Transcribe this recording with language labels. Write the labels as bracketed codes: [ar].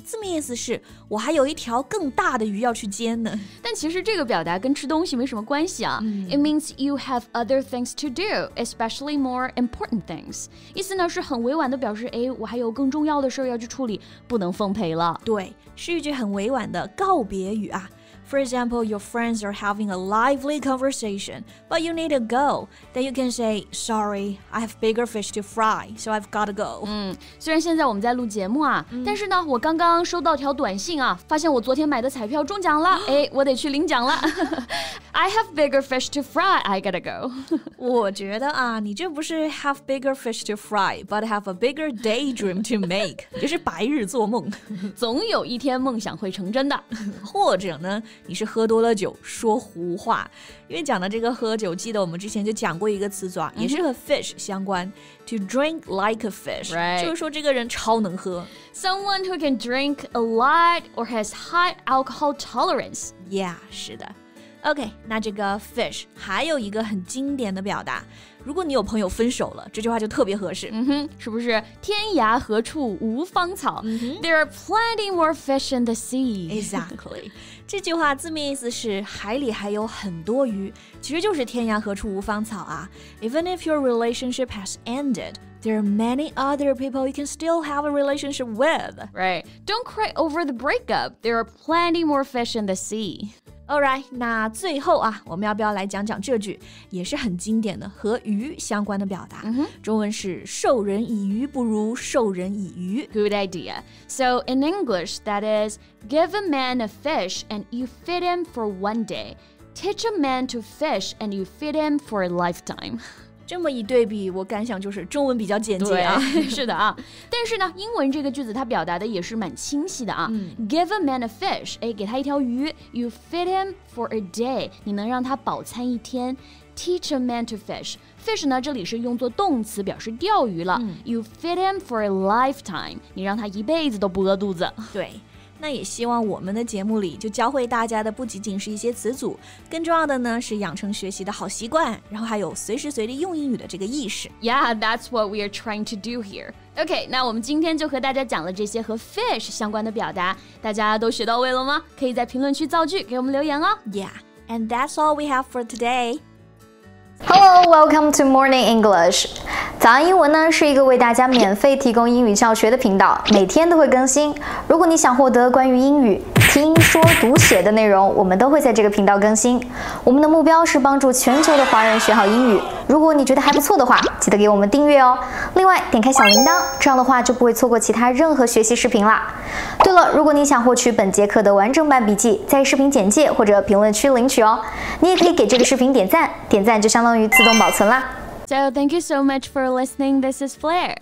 [zh] 字面意思是我还有一条更大的鱼要去煎呢。但其实这个表达跟吃东西没什么关系啊。 Mm-hmm. [en] It means you have other things to do, especially more important things. [zh] 意思呢是很委婉的表示，哎，我还有更重要的事要去处理，不能奉陪了。对，是一句很委婉的告别语啊。 [en] For example, your friends are having a lively conversation, but you need to go. Then you can say, sorry, I have bigger fish to fry, so I've got to go. [zh] 嗯，虽然现在我们在录节目啊，嗯，但是呢，我刚刚收到条短信啊，发现我昨天买的彩票中奖了，哎，我得去领奖了。 [en] I have bigger fish to fry, I gotta go. [zh] 我觉得啊，你这不是 [en] have bigger fish to fry, but have a bigger daydream to make. [zh] 就是白日做梦。总有一天梦想会成真的。或者呢？你是喝多了酒说胡话，因为讲到这个喝酒，记得我们之前就讲过一个词组啊，也是和 fish 相关， [en] to drink like a fish， right. [zh] 就是说这个人超能喝， [en] someone who can drink a lot or has high alcohol tolerance， [zh] yeah， 是的。 OK， 那这个 fish 还有一个很经典的表达，如果你有朋友分手了，这句话就特别合适。嗯哼，是不是？天涯何处无芳草， mm-hmm. [en] There are plenty more fish in the sea. Exactly. [zh] 这句话字面意思是海里还有很多鱼，其实就是天涯何处无芳草啊。 [en] Even if your relationship has ended, there are many other people you can still have a relationship with. Right. Don't cry over the breakup. There are plenty more fish in the sea. [zh] Alright, 那最后啊，我们要不要来讲讲这句也是很经典的和鱼相关的表达。 Mm-hmm. 中文是授人以鱼不如授人以渔。 [en] Good idea. So in English, that is, give a man a fish and you feed him for one day. Teach a man to fish and you feed him for a lifetime. [zh] 这么一对比，我感想就是中文比较简洁啊。是的啊。但是呢，英文这个句子它表达的也是蛮清晰的啊。嗯， [en] Give a man a fish， [zh] 哎，给他一条鱼。 [en] You feed him for a day， [zh] 你能让他饱餐一天。 [en] Teach a man to fish， [zh] fish 呢，这里是用作动词表示钓鱼了。嗯， [en] You feed him for a lifetime， [zh] 你让他一辈子都不饿肚子。对。那也希望我们的节目里就教会大家的不仅仅是一些词组，更重要的呢是养成学习的好习惯，然后还有随时随地用英语的这个意识。 [en] Yeah, that's what we are trying to do here. [zh] OK, 那我们今天就和大家讲了这些和 fish 相关的表达，大家都学到位了吗？可以在评论区造句给我们留言哦。 [en] Yeah, and that's all we have for today. Hello, welcome to Morning English. [zh] 早安英文呢是一个为大家免费提供英语教学的频道，每天都会更新。如果你想获得关于英语听说读写的内容，我们都会在这个频道更新。我们的目标是帮助全球的华人学好英语。如果你觉得还不错的话，记得给我们订阅哦。另外点开小铃铛，这样的话就不会错过其他任何学习视频啦。对了，如果你想获取本节课的完整版笔记，在视频简介或者评论区领取哦。你也可以给这个视频点赞，点赞就相当于自动保存啦。 [en] So thank you so much for listening. This is Flair.